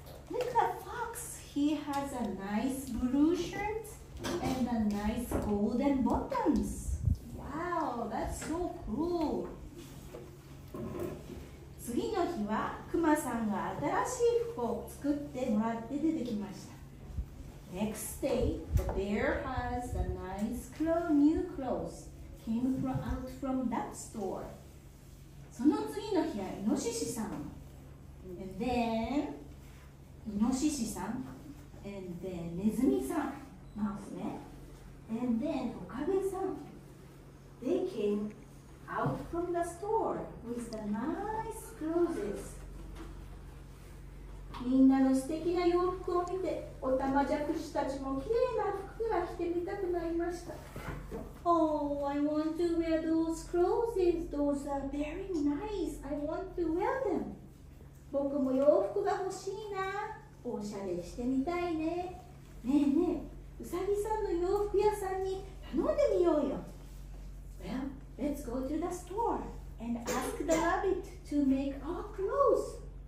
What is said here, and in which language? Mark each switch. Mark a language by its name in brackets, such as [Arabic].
[English] Look at Fox. He has a nice blue shirt and a nice golden buttons. Wow, that's so cool. [Japanese] 次の日は、クマさんが新しい服を作ってもらって出てきました。 [English] Next day, the bear has a nice new clothes. Came out from that store. [Japanese] その次の日はイノシシさん。 [English] And then イノシシさん。 And then ネズミさん。マウスね。And then オカベさん。 They came out from the store with the nice clothes. [Japanese] みんなの素敵な洋服を見て、オタマジャクシたちもきれいな服が着てみたくなりました。 [English] Oh, I want to wear those clothes. Those are very nice. I want to wear them. [Japanese] 僕も洋服が欲しいな。おしゃれしてみたいね。ねえねえ、うさぎさんの洋服屋さんに頼んでみようよ。 [English] Well, let's go to the store and ask the rabbit to make our clothes.